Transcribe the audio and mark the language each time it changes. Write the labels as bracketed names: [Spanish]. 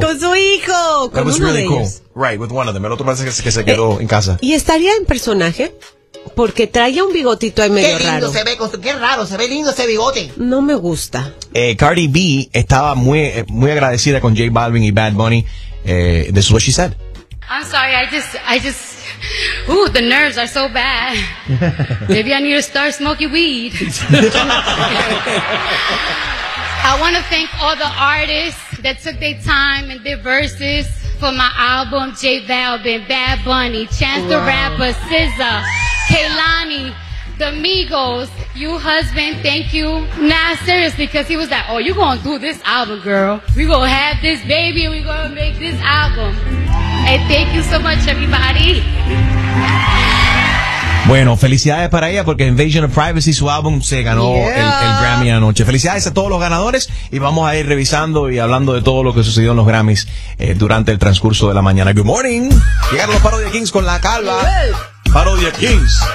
[Spanish] Con su hijo. [English] That was really cool. Right, with one of them. [Spanish] El otro parece que se quedó en casa. ¿Y estaría en personaje? Porque traía un bigotito ahí medio raro. Qué lindo se ve, qué raro, se ve lindo ese bigote. No me gusta. Cardi B estaba muy, muy agradecida con J Balvin y Bad Bunny. [English] This is what she said. I'm sorry, I just ooh, the nerves are so bad. Maybe I need to start smoking weed. I want to thank all the artists that took their time and their verses for my album, J Balvin, Bad Bunny, Chance the Rapper, SZA, Kehlani, the Migos, you husband, thank you. Nah, seriously, because he was like, oh, you gonna do this album, girl. We gonna have this baby, we gonna make this album. And thank you so much, everybody. [Spanish] Bueno, felicidades para ella porque Invasion of Privacy, su álbum, se ganó el Grammy anoche. Felicidades a todos los ganadores y vamos a ir revisando y hablando de todo lo que sucedió en los Grammys durante el transcurso de la mañana. [English] Good morning. [Spanish] Llegaron los Parodia Kings con la calva. Parodia Kings.